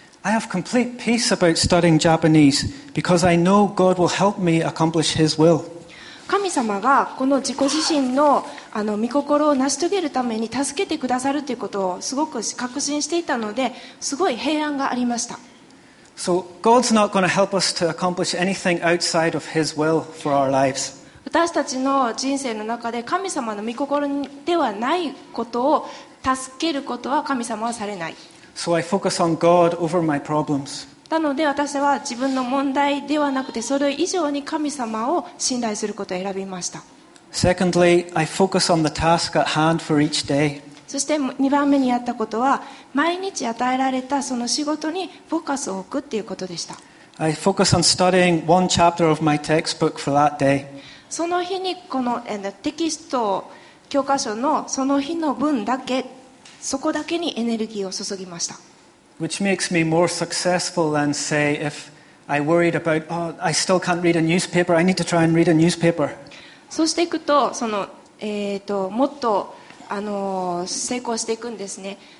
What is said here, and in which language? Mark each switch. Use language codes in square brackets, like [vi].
[en] I have complete peace about studying Japanese because I know God will help me accomplish His will. [ja] 神様がこの自己自身の御心を成し遂げるために助けてくださるということをすごく確信していたので、すごい平安がありました。 [en] So God's not going to help us to accomplish anything outside of His will for our lives. [ja] 私たちの人生の中で神様の御心ではないことを助けることは神様はされない。 [en] So I focus on God over my problems. [ja] なので私は自分の問題ではなくて、それ以上に神様を信頼することを選びました。 [en] Secondly, I focus on the task at hand for each day. [ja] そして2番目にやったことは、毎日与えられたその仕事にフォーカスを置くっていうことでした。 [en] I focus on studying one chapter of my textbook for that day. [ja] その日にこのテキスト教科書のその日の分だけ、そこだけにエネルギーを注ぎました。 [en] Which makes me more successful than say if I worried about, oh, I still can't read a newspaper, I need to try and read a newspaper. [ja] そうしていくと、その、もっと、成功していくんですね。